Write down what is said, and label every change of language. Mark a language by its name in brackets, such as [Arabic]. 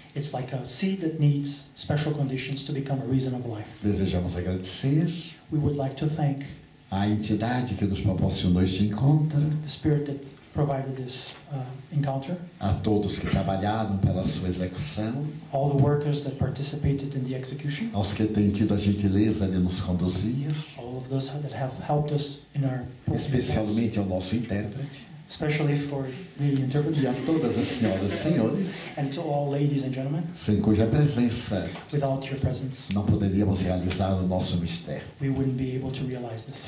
[English] It's like a seed that needs special conditions to become a reason of life. [Portuguese] Desejamos agradecer. [English] We would like to thank [Portuguese] a entidade que nos proporcionou este encontro, [English] the spirit that provided this encounter, [Portuguese] a todos que trabalharam pela sua execução, [English] all the workers that participated in the execution, [Portuguese] aos que têm tido a gentileza de nos conduzir, [English] all of those that have helped us in our process, [Portuguese] especialmente ao nosso intérprete, [English] especially for the interpreter, [Portuguese] e a todas as senhoras e senhores, [English] and to all ladies and gentlemen, [Portuguese] sem cuja presença, [English] without your presence, [Portuguese] não poderíamos realizar o nosso mistério. [English] We wouldn't be able to realize this.